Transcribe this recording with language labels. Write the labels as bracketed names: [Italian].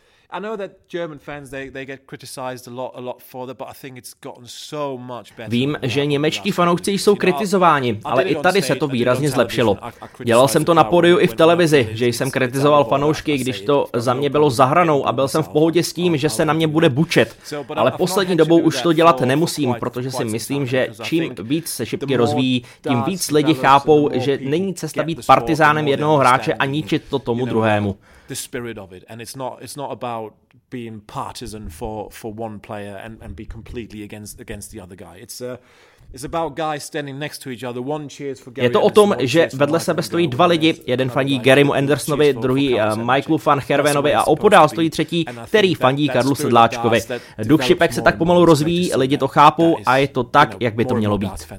[English] I know that German fans they get criticized a lot for that, but I think it's gotten so much better. [Czech] Vím, že němečtí fanoušci jsou kritizováni, ale i tady se to výrazně zlepšilo. Dělal jsem to na pódiu i v televizi, že jsem kritizoval fanoušky, když to za mě bylo za hranou a byl jsem v pohodě s tím, že se na mě bude bučet. Ale poslední dobou už to dělat nemusím, protože si myslím, že čím víc se Šipky rozvíjí, tím víc lidi chápou, že není cesta být partizánem jednoho hráče a ničit to tomu druhému. [English] The spirit of it, and it's not about being partisan for one player and be completely against the other guy. It's about guys standing next to each other. One cheers for Gary. [Czech] Je to o tom, že vedle sebe stojí dva lidi. Jeden fandí Garymu Andersonovi, druhý Michaelu van Gervenovi a opodál stojí třetí, který fandí Karlu Sedláčkovi. Duch Šipek se tak pomalu rozvíjí, lidi to chápou a je to tak, jak by to mělo být.